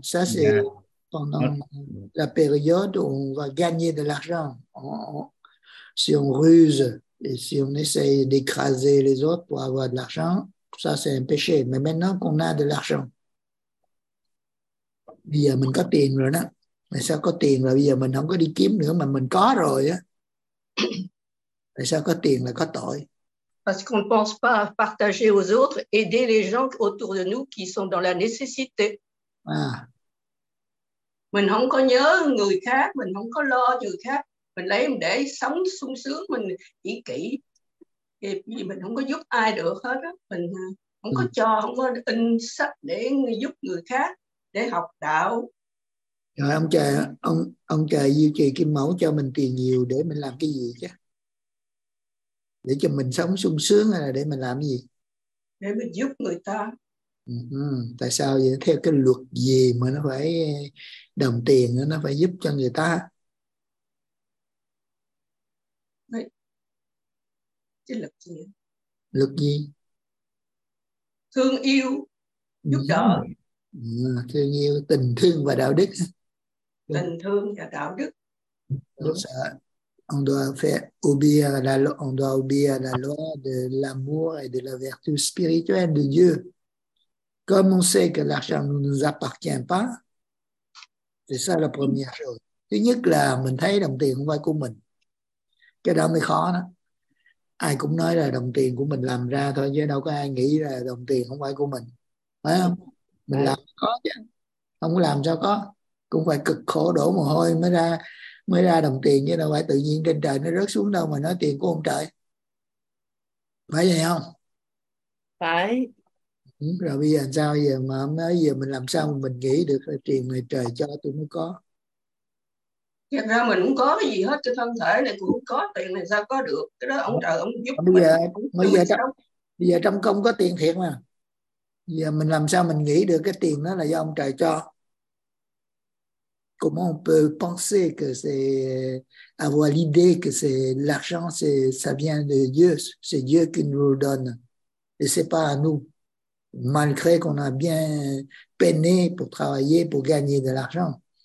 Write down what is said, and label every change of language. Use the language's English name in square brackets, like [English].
[French] Ça c'est pendant la période où on va gagner de l'argent. Si on ruse et si on essaye d'écraser les autres pour avoir de l'argent, ça c'est un péché. Mais maintenant qu'on a de l'argent, [Vietnamese] bây giờ mình có tiền rồi đó. Tại sao có tiền là bây giờ mình không có đi kiếm nữa mà mình có rồi á? Tại sao có tiền là có tội? [French] Parce qu'on ne pense pas à partager aux autres, aider les gens autour de nous qui sont dans la nécessité. [Vietnamese] Mình không có nhớ người khác, mình không có lo người khác, mình lấy để sống sung sướng, mình ý kỷ, vì mình không có giúp ai được hết á, mình không có cho, không có in sách để giúp người khác để học đạo. Rồi ông trời duy trì cái mẫu cho mình tiền nhiều để mình làm cái gì chứ, để cho mình sống sung sướng hay là để mình làm cái gì? Để mình giúp người ta. Tại sao vậy? Theo cái luật gì mà nó phải đồng tiền nó phải giúp cho người ta? Đấy. Chứ luật gì? Luật gì? Thương yêu, giúp đỡ. Thương yêu, tình thương và đạo đức. Tình thương và đạo đức. Đúng sợ. [French] On doit faire obéir à la loi, on doit obéir à la loi de l'amour et de la vertu spirituelle de Dieu. Comme on sait que l'argent ne nous appartient pas, c'est ça la première chose. [Vietnamese] Thứ nhất là mình thấy đồng tiền không phải của mình. Cái đó mới khó đó. Ai cũng nói là đồng tiền của mình làm ra thôi, chứ đâu có ai nghĩ là đồng tiền không phải của mình. Phải không? Mình làm có chứ. Không làm sao có. Cũng phải cực khổ đổ mồ hôi mới ra, mới ra đồng tiền chứ đâu phải tự nhiên trên trời nó rớt xuống đâu mà nói tiền của ông trời. Phải vậy không? Phải. Rồi bây giờ làm sao giờ mà nói giờ mình làm sao mình nghĩ được là tiền này trời cho tôi mới có. Thật ra mình cũng có cái gì hết, trên thân thể này cũng có, tiền này sao có được. Cái đó ông trời ông giúp bây giờ, mình. Bây giờ, trong công có tiền thiệt mà. Bây giờ mình làm sao mình nghĩ được cái tiền đó là do ông trời cho. [French] Comment on peut penser que c'est avoir l'idée que c'est l'argent, c'est ça vient de Dieu, c'est Dieu qui nous le donne et c'est pas à nous, malgré qu'on a bien peiné pour travailler pour gagner de l'argent.